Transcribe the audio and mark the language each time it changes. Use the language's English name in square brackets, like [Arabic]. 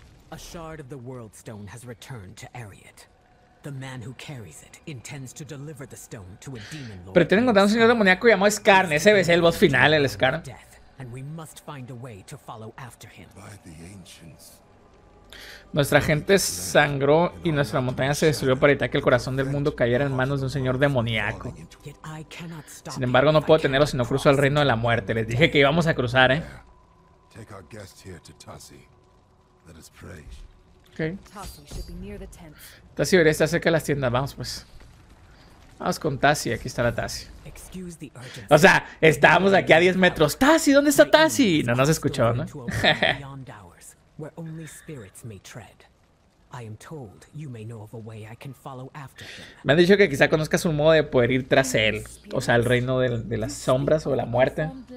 [English] A shard of the world stone has returned to Ariat. The man who carries it intends to deliver the stone to a demon lord. [Spanish] Pretende encontrar un señor demoníaco llamado Skarn. Ese es el boss final, el Skarn. [English] And we must find a way to follow after him. By the ancients. [Spanish] Nuestra gente sangró y nuestra montaña se destruyó para evitar que el corazón del mundo cayera en manos de un señor demoníaco. Sin embargo, no puedo tenerlo si no cruzo el reino de la muerte. Les dije que íbamos a cruzar, ¿eh? [English] Take our guest here to Tassi. Let us pray. Okay. Tassi should be near the tent. [Spanish] Tassi debería estar cerca de las tiendas. Vamos, pues. Vamos con Tassi. Aquí está la Tassi. O sea, estábamos aquí a 10 metros. Tassi, ¿dónde está Tassi? No nos escuchó, ¿no? [English] Beyond hours, where only spirits may tread. I am told you may know of a way I can follow after him. [Spanish] Me han dicho que quizá conozcas un modo de poder ir tras él. O sea, el reino de las sombras o de la muerte.